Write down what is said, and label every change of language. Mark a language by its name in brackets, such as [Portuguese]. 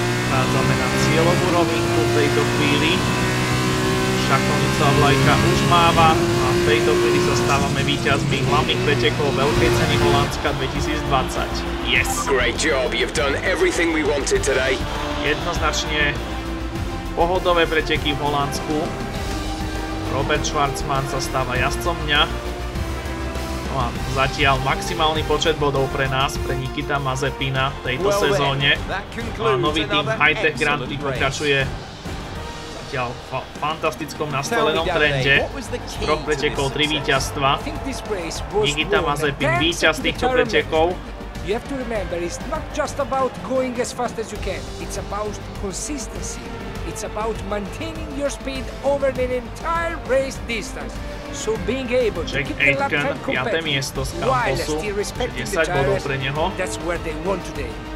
[Slovak] Vádzame na cieľovú rovinku v tejto chvíli. Šachovnica vlajka už máva a v tejto chvíli zastávame víťazmi hlavných pretekov veľkej ceny Holandska 2020. [English] Yes. Great job. You've done everything we wanted today. [Slovak] Jednoznačne pohodové preteky v Holandsku. Robert Schwarzman sa stáva jazdcom dňa. No a zatiaľ maximálny počet bodov pre nás, pre Nikita Mazepina v tejto sezóne. A nový tým Hightech Grand Prix pokračuje zatiaľ v fantastickom nastolenom trende. Rok pretekov, 3 víťazstva. Nikita Mazepin víťaz týchto pretekov. [English] You have to remember, it's not just about going as fast as you can. It's about consistency. It's about maintaining your speed over an entire race distance. So being able Jack to keep the lap time competitive while still respecting the tires, that's where they won today.